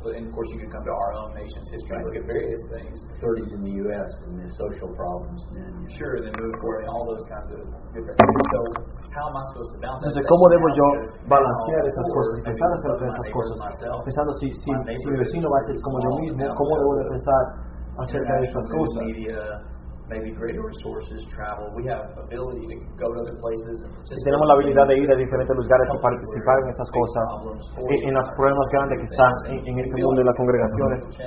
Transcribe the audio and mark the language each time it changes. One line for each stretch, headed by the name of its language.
English: But and of course, you can come to our own nation's history and look at various things. 30s in the U.S. and the social problems. And sure, and then move forward and all those kinds of different things. So, how am I supposed to balance that?
Spanish: Entonces, ¿cómo debo yo balancear esas cosas? Empezar a hacer esas cosas. Pensando si mi vecino va a ser como yo mismo, ¿cómo debo de pensar acerca de esas cosas?
English: Maybe greater resources, travel. We have ability to go to other places and participate.
Spanish: Y tenemos la habilidad de ir a diferentes lugares y participar en esas cosas, en los problemas grandes que están en este mundo de las congregaciones.